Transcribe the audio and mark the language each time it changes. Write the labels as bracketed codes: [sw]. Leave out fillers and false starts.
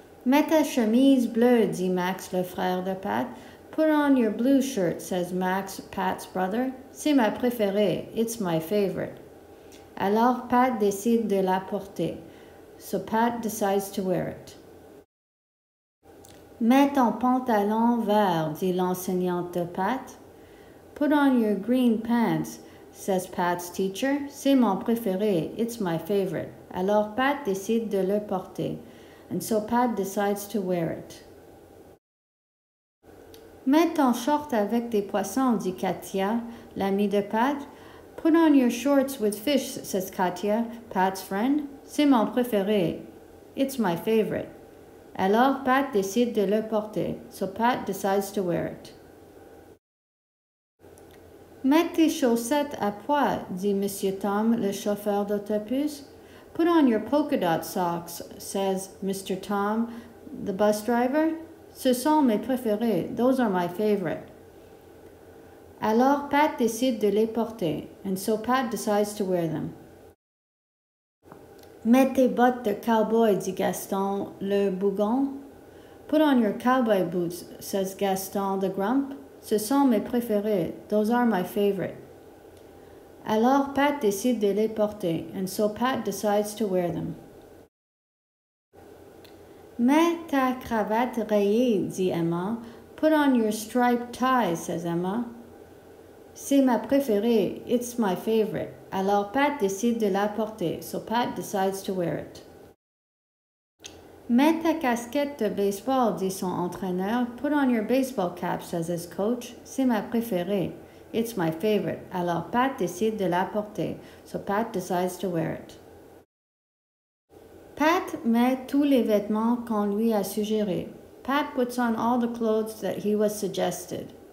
[fr] Mets ta chemise bleue, dit Max, le frère de Pat. [en] Put on your blue shirt, says Max, Pat's brother. [fr] C'est ma préférée. [en] It's my favorite. [fr] Alors, Pat décide de la porter. [en] So, Pat decides to wear it. [fr] Mets ton pantalon vert, dit l'enseignante de Pat. [en] Put on your green pants, says Pat's teacher. [fr] C'est mon préféré. [en] It's my favorite. [fr] Alors, Pat décide de le porter. [en] And so, Pat decides to wear it. [fr] Mets ton short avec des poissons, dit Katia, l'ami de Pat. [en] Put on your shorts with fish, says Katia, Pat's friend. [fr] C'est mon préféré. [en] It's my favorite. [fr] Alors, Pat décide de le porter. [en] So, Pat decides to wear it. [fr] Mets tes chaussettes à pois, dit Monsieur Tom, le chauffeur d'autobus. [en] Put on your polka dot socks, says Mr. [fr] Tom, [en] the bus driver. [fr] Ce sont mes préférés. [en] Those are my favorite. [fr] Alors, Pat décide de les porter. [en] And so, Pat decides to wear them. [fr] Mets tes bottes de cowboy, dit Gaston, le bougon. [en] Put on your cowboy boots, says Gaston, the grump. [fr] Ce sont mes préférés. [en] Those are my favorite. [fr] Alors, Pat décide de les porter. [en] And so, Pat decides to wear them. [fr] Mets ta cravate rayée, dit Emma. [en] Put on your striped tie, says Emma. [fr] C'est ma préférée. [en] It's my favorite. [fr] Alors, Pat décide de la porter. [en] So, Pat decides to wear it. [fr] Mets ta casquette de baseball, dit son entraîneur. [en] Put on your baseball cap, says his coach. [fr] C'est ma préférée. [en] It's my favorite. [fr] Alors, Pat décide de la porter. [en] So, Pat decides to wear it. [fr] Pat met tous les vêtements qu'on lui a suggérés. [en] Pat puts on all the clothes that he was suggested.